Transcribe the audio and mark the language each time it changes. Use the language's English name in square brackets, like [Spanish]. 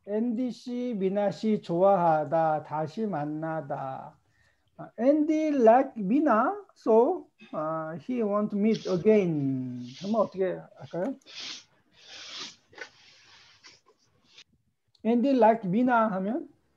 [Korean] 앤디 씨, 미나 씨 좋아하다. 다시 만나다. [English] 앤디 like 미나, so he want to meet again. [Korean] 그러면 어떻게 할까요? 앤디 like 미나 하면